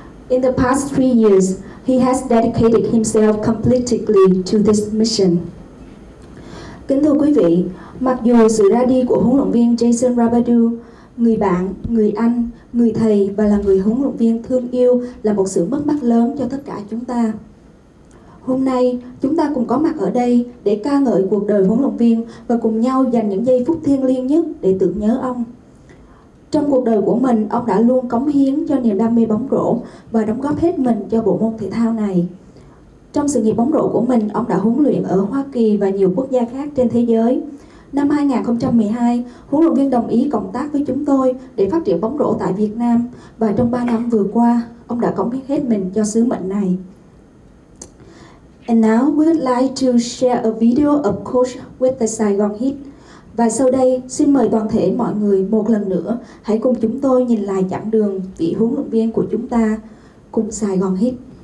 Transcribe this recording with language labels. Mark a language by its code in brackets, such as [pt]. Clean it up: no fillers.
[en] In the past 3 years, he has dedicated himself completely to this mission. [vi] Kính thưa quý vị, mặc dù sự ra đi của huấn luyện viên Jason Rabedeux, người bạn, người anh, người thầy và là người huấn luyện viên thương yêu là một sự mất mát lớn cho tất cả chúng ta. Hôm nay, chúng ta cùng có mặt ở đây để ca ngợi cuộc đời huấn luyện viên và cùng nhau dành những giây phút thiêng liêng nhất để tưởng nhớ ông. Trong cuộc đời của mình, ông đã luôn cống hiến cho niềm đam mê bóng rổ và đóng góp hết mình cho bộ môn thể thao này. Trong sự nghiệp bóng rổ của mình, ông đã huấn luyện ở Hoa Kỳ và nhiều quốc gia khác trên thế giới. Năm 2012, huấn luyện viên đồng ý cộng tác với chúng tôi để phát triển bóng rổ tại Việt Nam và trong 3 năm vừa qua, ông đã cống hiến hết mình cho sứ mệnh này. [en] And now we would like to share a video of Coach with the Saigon Heat. [vi] Và sau đây, xin mời toàn thể mọi người một lần nữa hãy cùng chúng tôi nhìn lại chặng đường vị huấn luyện viên của chúng ta cùng Saigon Heat.